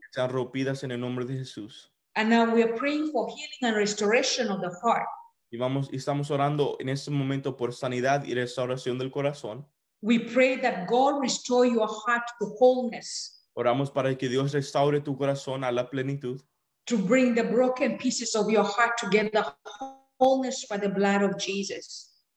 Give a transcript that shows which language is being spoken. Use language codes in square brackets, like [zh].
[es] Sean rompidas en el nombre de Jesús. [en] And now we are praying for healing and restoration of the heart. [es] Y estamos orando en este momento por sanidad y restauración del corazón. [en] We pray that God restore your heart to wholeness. [es] Oramos para que Dios restaure tu corazón a la plenitud. [en] To bring the broken pieces of your heart together, wholeness by the blood of Jesus.